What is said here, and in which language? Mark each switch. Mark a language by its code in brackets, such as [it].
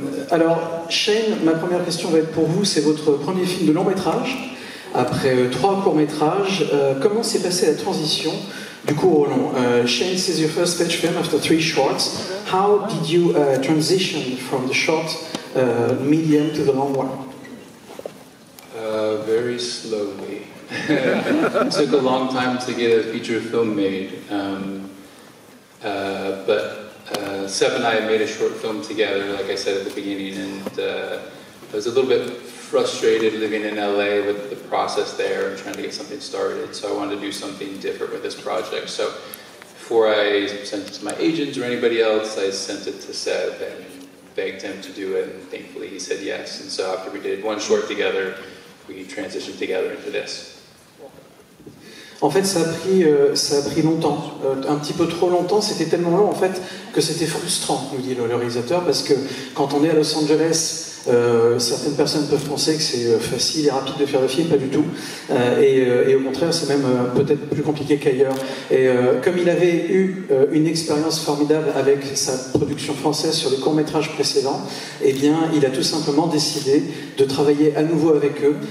[fr] Alors, Shane, ma première question va être pour vous. C'est votre premier film de long métrage après trois courts métrages. Comment s'est passée la transition du court au long? [en] Shane, this is your first feature film after three shorts. How did you transition from the short medium to the long one? Very slowly. It took a long time to get a feature film made. But Seb and I made a short film together, like I said at the beginning, and I was a little bit frustrated living in LA with the process there and trying to get something started, so I wanted to do something different with this project. So before I sent it to my agents or anybody else, I sent it to Seb and begged him to do it, and thankfully he said yes. And so after we did one short together, we transitioned together into this. [fr] En fait, ça a pris longtemps, un petit peu trop longtemps. C'était tellement long, en fait, que c'était frustrant, nous dit le réalisateur, parce que quand on est à Los Angeles, certaines personnes peuvent penser que c'est facile et rapide de faire le film, pas du tout. Et au contraire, c'est même peut-être plus compliqué qu'ailleurs. Et comme il avait eu une expérience formidable avec sa production française sur les courts-métrages précédents, eh bien, il a tout simplement décidé de travailler à nouveau avec eux.